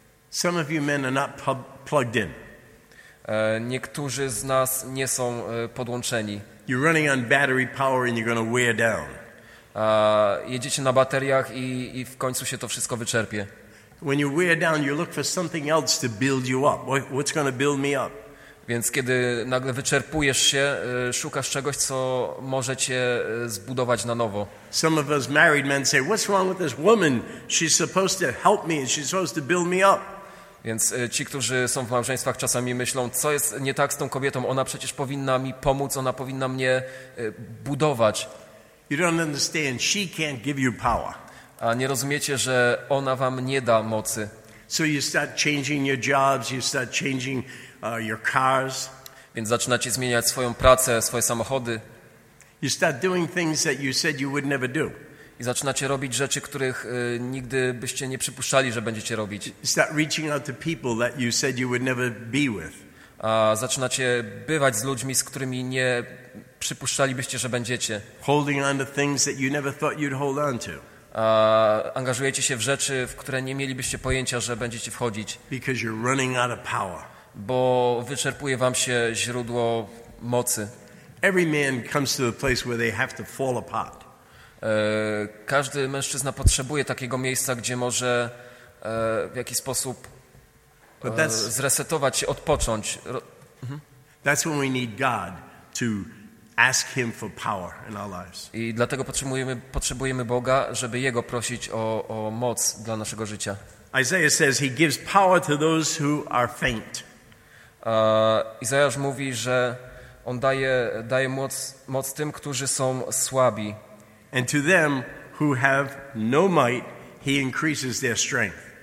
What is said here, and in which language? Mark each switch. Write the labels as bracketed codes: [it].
[en] Some of you men are not plugged in. [pl] Niektórzy z nas nie są podłączeni. [en] You're running on battery power and you're going to wear down. [pl] Jedziecie na bateriach i w końcu się to wszystko wyczerpie. [en] When you wear down, you look for something else to build you up. What's going to build me up? [pl] Więc kiedy nagle wyczerpujesz się, szukasz czegoś, co może cię zbudować na nowo. [en] Some of us married men say, "What's wrong with this woman? She's supposed to help me and she's supposed to build me up." [pl] Więc ci, którzy są w małżeństwach, czasami myślą, co jest nie tak z tą kobietą? Ona przecież powinna mi pomóc, ona powinna mnie budować. [en] You don't understand. She can't give you power. [pl] A nie rozumiecie, że ona wam nie da mocy. [en] So you start changing your jobs, you start changing your cars. [pl] Więc zaczynacie zmieniać swoją pracę, swoje samochody. [en] You start doing things that you said you would never do. [pl] i zaczynacie robić rzeczy, których nigdy byście nie przypuszczali, że będziecie robić. [en] Start reaching out to people that you said you would never be with. [pl] A zaczynacie bywać z ludźmi, z którymi nie przypuszczalibyście, że będziecie. [en] Holding on to things that you never thought you'd hold on to. [pl] A angażujecie się w rzeczy, w które nie mielibyście pojęcia, że będziecie wchodzić. [en] Because you're running out of power. [pl] Bo wyczerpuje wam się źródło mocy. [en] Every man comes to the place where they have to fall apart. [pl] Każdy mężczyzna potrzebuje takiego miejsca, gdzie może w jakiś sposób zresetować się, odpocząć. [en] That's when we need God to ask him for power in our lives. [pl] I dlatego potrzebujemy Boga, żeby jego prosić o moc dla naszego życia. [en] Isaiah says he gives power to those who are faint. [pl] Izajasz mówi, że on daje moc tym, którzy są słabi. [en] And to them who have no might, he increases their strength.